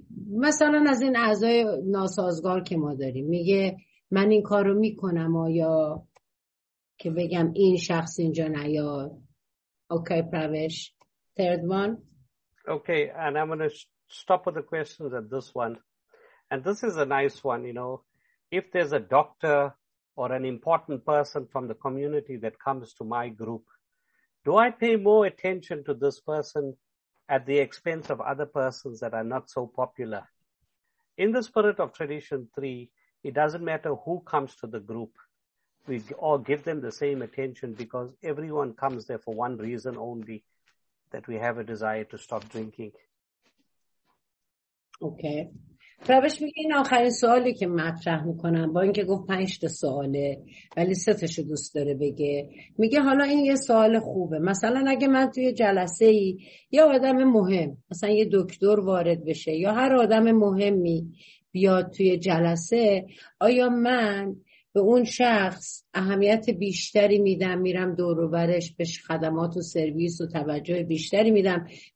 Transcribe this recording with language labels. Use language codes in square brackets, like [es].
[fa] مثلا از این اعضای ناسازگار که ما داریم میگه من این کار رو میکنم، آیا که بگم این شخص اینجا نیاد؟ اوکی پروش. [en] Third one okay and I'm going to stop with the questions at this one. And this is a nice one, you know, if there's a doctor or an important person from the community that comes to my group, do I pay more attention to this person at the expense of other persons that are not so popular? In the spirit of tradition 3, it doesn't matter who comes to the group. We all give them the same attention because everyone comes there for one reason only, that we have a desire to stop drinking. Okay. [fa] پروش میگه این آخرین سوالی که مطرح میکنم، با اینکه گفت 5 تا سواله ولی 3 تاشو دوست داره بگه، میگه حالا این یه سوال خوبه، مثلا اگه من توی جلسه ای یه آدم مهم، مثلا یه دکتر وارد بشه یا هر آدم مهمی بیاد توی جلسه، آیا من به اون شخص اهمیت بیشتری میدم، میرم دور و برش بهش خدمات و سرویس و توجه بیشتری میدم